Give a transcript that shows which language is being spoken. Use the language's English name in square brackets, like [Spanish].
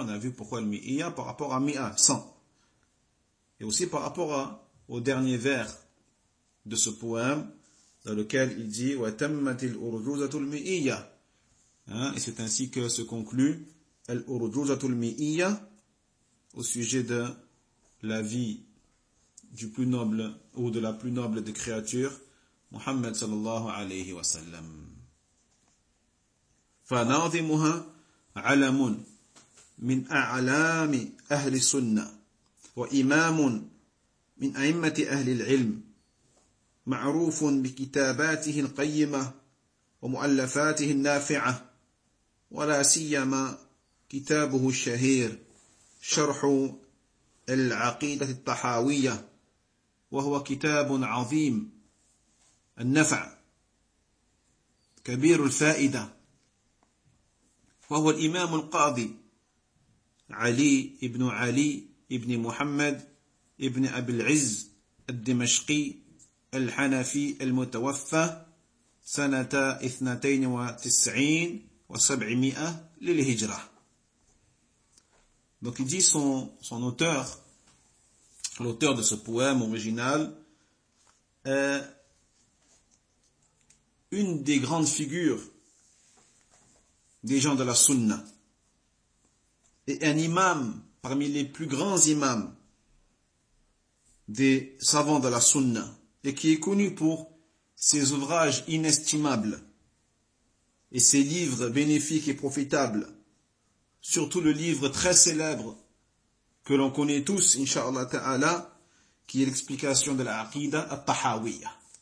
[French] On a vu pourquoi Al-Mi'iyya par rapport à Mi'a, 100. Et aussi par rapport au dernier vers de ce poème, dans lequel il dit [Arabic] Wa tammatil urujuzatul mi'iyya. [French] Hein, et c'est ainsi que se conclut Al-Urujuzatul Mi'iyya au sujet de la vie du plus noble ou de la plus noble des créatures, Muhammad [Arabic] sallallahu alayhi wa sallam. فناظمها علم من أعلام أهل السنة وإمام من أئمة أهل العلم معروف بكتاباته القيمة ومؤلفاته النافعة ولا سيما كتابه الشهير شرح العقيدة الطحاوية وهو كتاب عظيم النفع كبير الفائدة وهو الإمام القاضي علي ابن علي ابن محمد ابن أبي العز الدمشقي الحنفي المتوفى سنة 92 و700 للهجرة. [French] Donc il dit son auteur, l'auteur de ce poème original, une des grandes figures des gens de la Sunna. Et un imam, parmi les plus grands imams des savants de la Sunna, et qui est connu pour ses ouvrages inestimables et ses livres bénéfiques et profitables, surtout le livre très célèbre que l'on connaît tous, Inch'Allah Ta'ala, qui est l'explication de l'Aqida At-Tahawiyya.